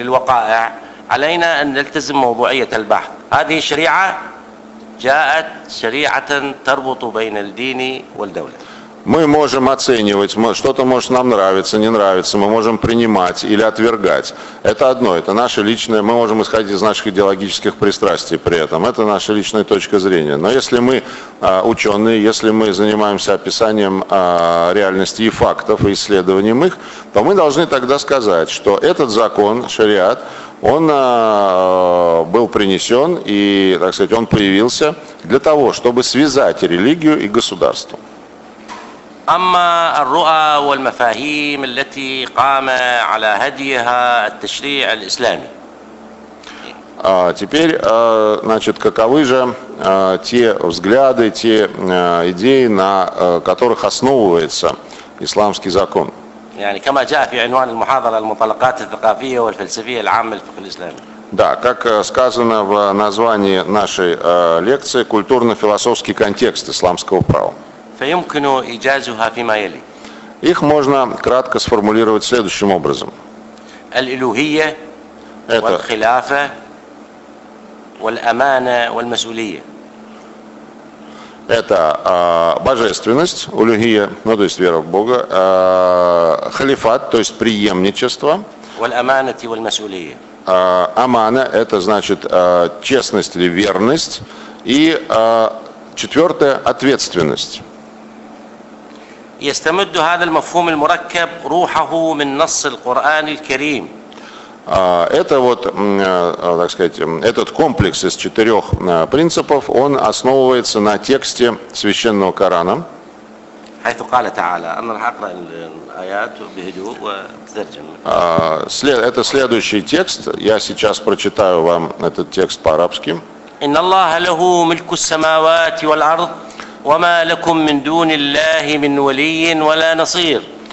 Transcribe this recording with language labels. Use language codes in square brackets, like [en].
[ar] علينا أن نلتزم موضوعية البحث. هذه الشريعة جاءت شريعة تربط بين الدين والدولة. [ru] Мы можем оценивать, что-то может нам нравиться, не нравиться, мы можем принимать или отвергать. Это одно, это наше личное, мы можем исходить из наших идеологических пристрастий при этом, это наша личная точка зрения. Но если мы ученые, если мы занимаемся описанием реальности и фактов, и исследованием их, то мы должны тогда сказать, что этот закон, шариат, он был принесен и, так сказать, он появился для того, чтобы связать религию и государство. [ar] أما الرؤى والمفاهيم التي قام على هديها التشريع الإسلامي. [ru] Теперь, значит, каковы же те взгляды, те идеи, на которых основывается исламский закон? [ar] يعني كما جاء في عنوان المحاضرة المطلقات الثقافية والفلسفية العامة للفقه الإسلامي. [ru] Да, как сказано в названии нашей лекции, культурно-философский контекст исламского права. [ar] فيمكنه إيجازها فيما يلي. [ru] Их можно кратко сформулировать следующим образом. [ar] الإلهية والخلافة والأمانة والمسؤولية. [ru] Это божественность, улюхия, ну то есть вера в Бога, халифат, то есть преемничество. [ar] والأمانتي والمسؤولية. [ru] Амана, это значит честность или верность. И четвертое, ответственность. [ar] يستمد هذا المفهوم المركب روحه من نص القرآن الكريم. [ru] Это вот, так сказать, этот комплекс из четырех принципов, он основывается на тексте священного Корана. [ar] حيث قال تعالى أن الحقر الآيات بهدوء وترجم. [ru] Это следующий текст. Я сейчас прочитаю вам этот текст по-арабски. [ar] إن الله له ملك السماوات والأرض وما لكم من دون الله من ولي ولا نصير.